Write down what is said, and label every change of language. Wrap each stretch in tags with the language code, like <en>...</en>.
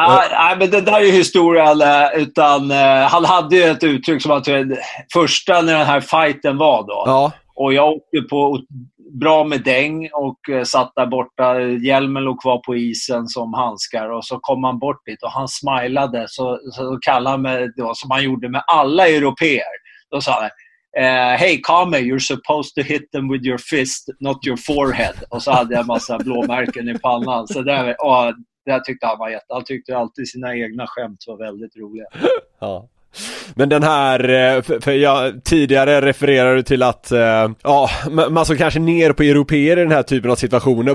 <sv>Nej, men det där är ju historien. Utan han hade ju ett uttryck som att första när den här fighten var då. Ja. Och jag åkte på bra med däng och satt där borta. Hjälmen låg kvar på isen som handskar, och så kom han bort dit och han smilade. Så kallade han mig då, som han gjorde med alla europeer. Då sa han:</sv> <en>hey, Kame, you're supposed to hit them with your fist, not your forehead.</en> <sv>Och så hade jag en massa blåmärken i pannan. Så där tyckte han var jätte. Han tyckte alltid sina egna skämt var väldigt roliga. Ja. Men den här, för jag tidigare refererade till att ja, man såg kanske ner på europeer i den här typen av situationer.</sv>